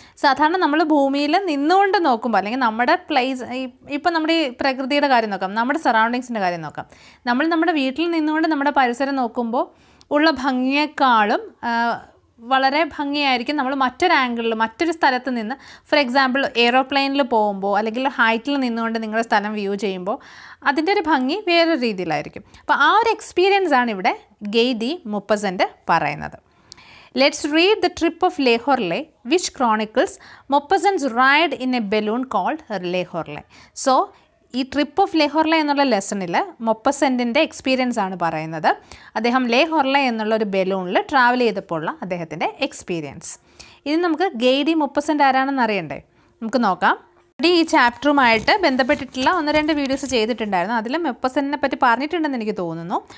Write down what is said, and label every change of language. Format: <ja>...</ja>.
<ml>സാധാരണ നമ്മൾ ഭൂമിയിൽ നിന്നുകൊണ്ട് നോക്കുമ്പോൾ, അല്ലെങ്കിൽ നമ്മുടെ പ്ലേസ്, ഇപ്പോൾ നമ്മുടെ ഈ പ്രകൃതിയുടെ കാര്യം നോക്കാം, നമ്മുടെ സറൗണ്ടിങ്സിൻ്റെ കാര്യം നോക്കാം, നമ്മൾ നമ്മുടെ വീട്ടിൽ നിന്നുകൊണ്ട് നമ്മുടെ പരിസരം നോക്കുമ്പോൾ ഉള്ള ഭംഗിയേക്കാളും വളരെ ഭംഗിയായിരിക്കും നമ്മൾ മറ്റൊരാംഗിളിൽ, മറ്റൊരു സ്ഥലത്ത് നിന്ന്. ഫോർ എക്സാമ്പിൾ, എയ്റോപ്ലെയിനിൽ പോകുമ്പോൾ അല്ലെങ്കിൽ ഹൈറ്റിൽ നിന്നുകൊണ്ട് നിങ്ങളുടെ സ്ഥലം വ്യൂ ചെയ്യുമ്പോൾ അതിൻ്റെ ഒരു ഭംഗി വേറെ രീതിയിലായിരിക്കും. അപ്പോൾ ആ ഒരു എക്സ്പീരിയൻസ് ആണ് ഇവിടെ ഗെയ്ഡി മുപ്പസൻ്റെ പറയുന്നത്.</ml> <en>Let's read the trip of Lehorle, which chronicles Maupassant's ride in a balloon called Lehorle.</en> <ml>So, ഈ ട്രിപ്പ് ഓഫ് ലേഹോർല എന്നുള്ള ലെസണിൽ മൊപ്പസെൻറ്റിൻ്റെ എക്സ്പീരിയൻസ് ആണ് പറയുന്നത്. അദ്ദേഹം ലേഹോർല എന്നുള്ള ഒരു ബലൂണിൽ ട്രാവൽ ചെയ്തപ്പോഴുള്ള അദ്ദേഹത്തിൻ്റെ എക്സ്പീരിയൻസ്. ഇനി നമുക്ക് ഗെയ്ഡി മൊപ്പസെൻ്റ് ആരാണെന്ന് അറിയണ്ടേ, നമുക്ക് നോക്കാം. ഈ ചാപ്റ്ററുമായിട്ട് ബന്ധപ്പെട്ടിട്ടുള്ള ഒന്ന് രണ്ട് വീഡിയോസ് ചെയ്തിട്ടുണ്ടായിരുന്നു, അതിൽ മൊപ്പസെൻറ്റിനെ പറ്റി പറഞ്ഞിട്ടുണ്ടെന്ന് എനിക്ക് തോന്നുന്നു.</ml>